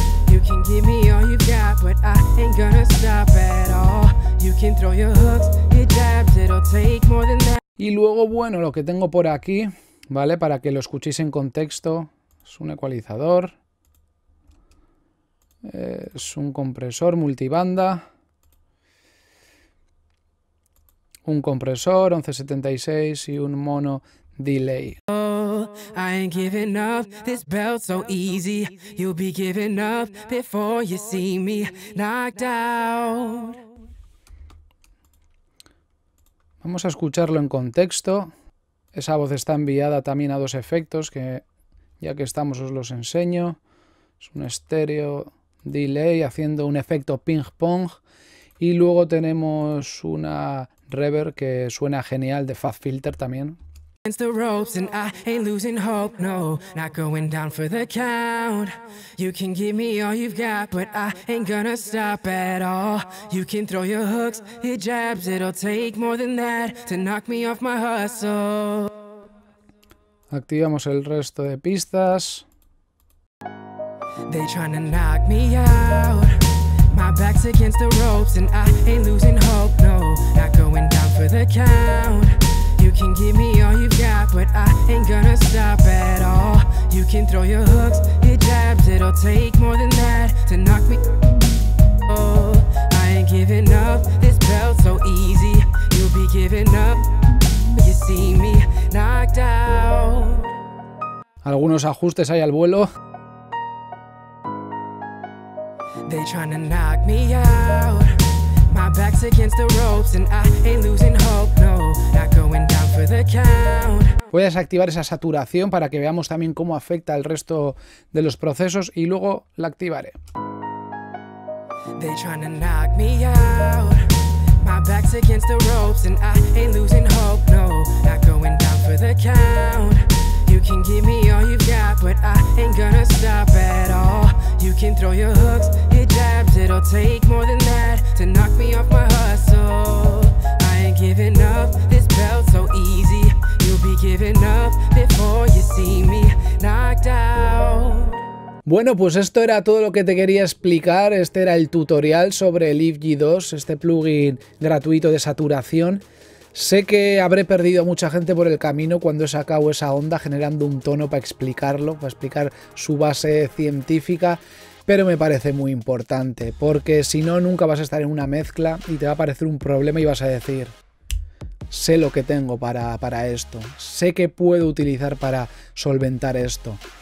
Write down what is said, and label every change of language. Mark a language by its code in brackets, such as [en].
[en] You can give me all you've got, but I ain't gonna stop at all. You can throw your hooks, your jabs, it'll take more than that. [es] Y luego, bueno, lo que tengo por aquí, ¿vale? Para que lo escuchéis en contexto, es un ecualizador. Es un compresor multibanda. Un compresor 1176 y un mono delay. [en] I ain't giving up this belt so easy. You'll be giving up before you see me knocked out. [es] Vamos a escucharlo en contexto. Esa voz está enviada también a dos efectos que, ya que estamos, os los enseño. Es un estéreo delay haciendo un efecto ping pong. Y luego tenemos una reverb que suena genial de Fat Filter también. [en] Against the ropes and I ain't losing hope, no, not going down for the count. You can give me all you've got, but I ain't gonna stop at all. You can throw your hooks, your jabs, it'll take more than that to knock me off my hustle. [es] Activamos el resto de pistas. [en] They tryna knock me out. My back's against the ropes and I ain't losing hope, no, not going down for the count. You can give me all you've got, but I ain't gonna stop at all. You can throw your hooks, your jabs, it'll take more than that to knock me. Oh, I ain't giving up this belt so easy. You'll be giving up, you see me knocked out. [es] Algunos ajustes hay al vuelo. [en] They tryna knock me out. My back's against the ropes and I ain't losing hope, no, not going down for the count. [es] Voy a desactivar esa saturación para que veamos también cómo afecta el resto de los procesos y luego la activaré. [en] They tryna knock me out. My back's against the ropes and I ain't losing hope, no, not going down for the count. You can give me all you've got, but I ain't gonna stop at all. You can throw your hooks, your jabs, it'll take more than that to knock me off my hustle. I ain't giving up this belt so easy. You'll be giving up before you see me knocked out. [es] Bueno, pues esto era todo lo que te quería explicar. Este era el tutorial sobre el IFG 2, este plugin gratuito de saturación. Sé que habré perdido a mucha gente por el camino cuando he sacado esa onda generando un tono para explicarlo, para explicar su base científica, pero me parece muy importante, porque si no, nunca vas a estar en una mezcla y te va a aparecer un problema y vas a decir, sé lo que tengo para esto, sé que puedo utilizar para solventar esto.